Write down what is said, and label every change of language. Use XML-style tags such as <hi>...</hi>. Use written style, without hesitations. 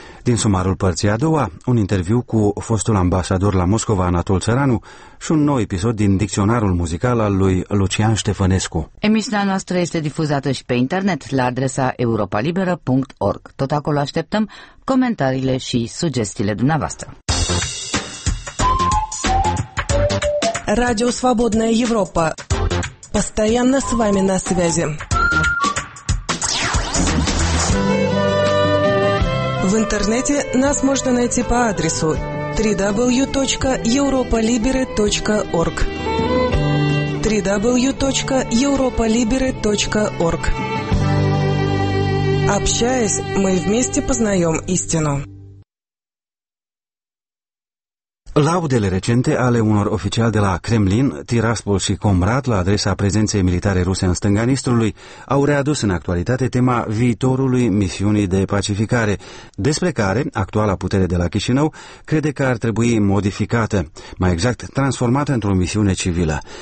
<ro>Din sumarul părții a doua, un interviu cu fostul ambasador la Moscova, Anatol Țăranu, și un nou episod din dicționarul muzical al lui Lucian Ștefănescu. Emisiunea noastră este difuzată și pe internet la adresa europalibera.org. Tot acolo așteptăm comentariile și sugestiile dumneavoastră.</ro> <ru>Радио Свободная Европа. Постоянно с вами на связи. В интернете нас можно найти по адресу www.europalibere.org. www.europalibere.org. Общаясь, мы вместе познаем истину.</ru> <ro>Laudele recente ale unor oficiali de la Kremlin, Tiraspol și Comrat, la adresa prezenței militare ruse în stânga Nistrului, au readus în actualitate tema viitorului misiunii de pacificare, despre care actuala putere de la Chișinău crede că ar trebui modificată, mai exact transformată într-o misiune civilă.</ro>